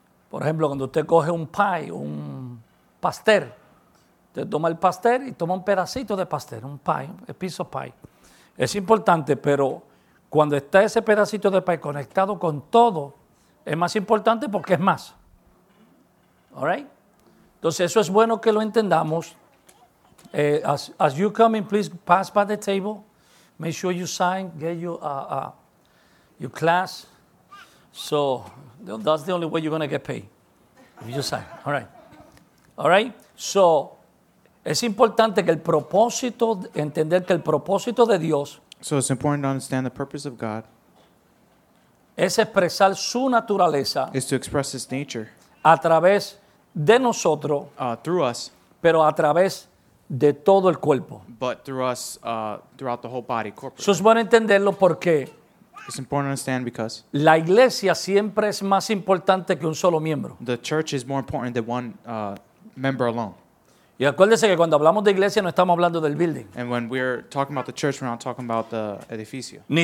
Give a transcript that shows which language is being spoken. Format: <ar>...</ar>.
<es>Por ejemplo, cuando usted coge un pie, un pastel, usted toma el pastel y toma un pedacito de pastel, un pie,</es> <en>a piece of pie.</en> <es>Es importante, pero cuando está ese pedacito de pie conectado con todo, es más importante porque es más.</es> <en>All right?</en> <es>Entonces, eso es bueno que lo entendamos.</es> <en>As you come in, please pass by the table. Make sure you sign, get your class. So that's the only way you're going to get paid. If you sign. All right. All right.</en> <es>So es importante que el propósito, entender que el propósito de Dios.</es> <en>So it's important to understand the purpose of God.</en> <es>Es expresar su naturaleza.</es> <en>Is to express his nature.</en> <es>A través de nosotros.</es> <en>Through us.</en> <es>Pero a través de todo el cuerpo.</es> <en>But through us, throughout the whole body, corporately.</en> <es>Eso es bueno entenderlo porque.</es> <en>It's important to understand because</en> <es>la iglesia siempre es más importante que un solo miembro.</es> <en>The church is more important than one member alone.</en> <es>Y acuérdese que cuando hablamos de iglesia no estamos hablando del building.</es> <en>And when we're talking about the church, we're not talking about the edificio.</en>